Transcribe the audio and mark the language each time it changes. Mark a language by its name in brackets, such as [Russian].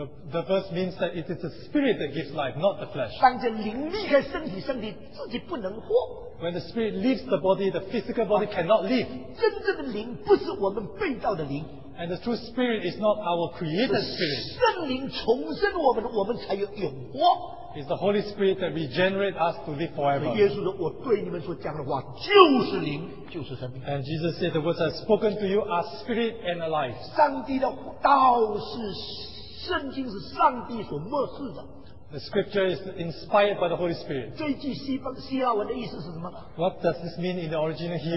[English] The verse means that it is the spirit that gives life, not the flesh. [Chinese] 当这灵离开身体，身体自己不能活。 [English] When the spirit leaves the body, the physical body cannot live. [Chinese] 真正的灵不是我们被造的灵。 [English] And the true spirit is not our created spirit. [Chinese] 圣灵重生我们，我们才有永活。 [English] It's the Holy Spirit that regenerates us to live forever. [Chinese] 耶稣说，我对你们所讲的话就是灵，就是生命。 [English] And Jesus said, the words I've spoken to you are spirit and life. [Chinese] 上帝的道是圣经，是上帝所默示的。 [English] The scripture is inspired by the Holy Spirit. What does this mean in the original Hebrew?